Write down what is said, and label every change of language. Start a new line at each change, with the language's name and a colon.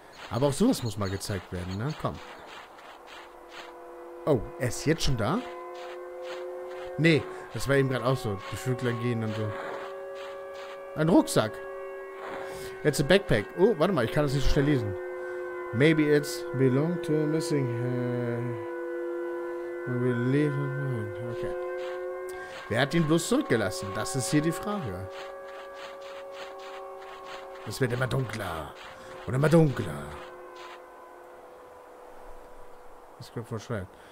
German: Aber auch sowas muss mal gezeigt werden, ne? Komm. Oh, er ist jetzt schon da? Nee, das war eben gerade auch so. Die Vögel gehen und so. Ein Rucksack.
English: It's a backpack.
German: Oh, warte mal, ich kann das nicht so schnell lesen.
English: Maybe it's belong to a missing hand. We leave it. Okay.
German: Wer hat ihn bloß zurückgelassen? Das ist hier die Frage. Es wird immer dunkler. Und immer dunkler. Das ist gerade voll schwer.